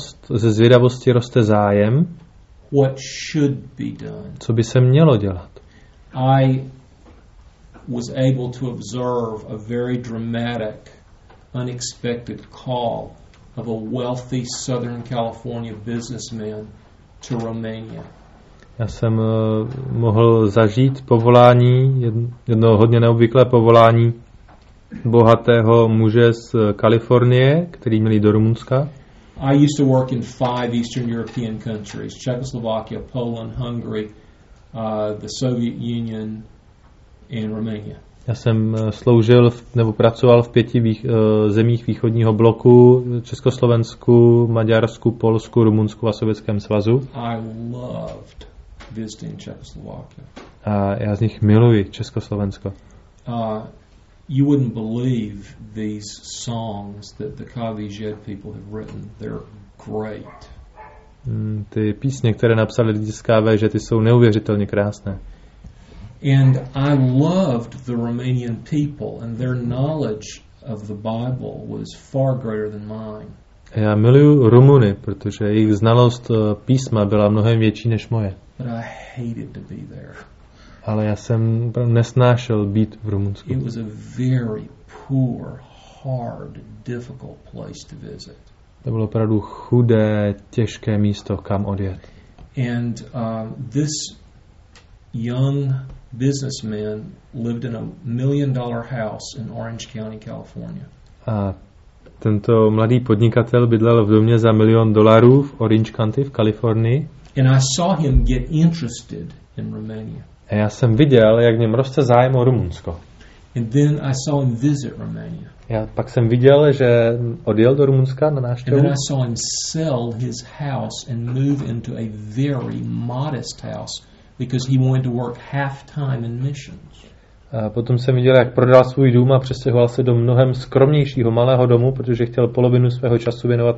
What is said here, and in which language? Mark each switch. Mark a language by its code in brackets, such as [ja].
[cs] Ze zvědavosti roste zájem. [en] What should be done? [cs] Co by se mělo dělat? [en] I was able to observe a very dramatic, unexpected call of a wealthy Southern California businessman to Romania. [cs] Já jsem mohl zažít povolání, jedno hodně neobvyklé povolání bohatého muže z Kalifornie, který měl do Rumunska. [en] I used to work in 5 Eastern European countries: Czechoslovakia, Poland, Hungary, the Soviet Union and Romania. [cs] Já jsem sloužil nebo pracoval v 5 zemích východního bloku: Československu, Maďarsku, Polsku, Rumunsku a Sovětském svazu. [en] I loved visiting Czechoslovakia. [cs] A já z nich miluji Československo. [en] You wouldn't believe these songs that the Kavizhed people have written. They're great. [cs] Ty písně, které napsali lidi z Kavizhed, ty jsou neuvěřitelně krásné. [en] And I loved the Romanian people and their knowledge of the Bible was far greater than mine. [cs] Já miluji Rumuny, protože jejich znalost písma byla mnohem větší než moje. [en] But I hated to be there. [cs] Ale já jsem nesnášel být v Rumunsku. [en] It was a very poor, hard, difficult place to visit. [cs] To bylo opravdu chudé, těžké místo, kam odjet. [en] And this young businessman lived in $1 million house in Orange County, California. [cs] A tento mladý podnikatel bydlel v domě za $1 million v Orange County v Kalifornii. [en] And I saw him get interested in Romania. [cs] A já jsem viděl, jak v něm roste zájem o Rumunsko. [en] And then I saw him visit Romania. [cs] Já pak jsem viděl, že odjel do Rumunska na návštěvu. [en] And then I saw him sell his house and move into a very modest house because he wanted to work half time in missions. [cs] A potom jsem viděl, jak prodal svůj dům a přestěhoval se do mnohem skromnějšího malého domu, protože chtěl polovinu svého času věnovat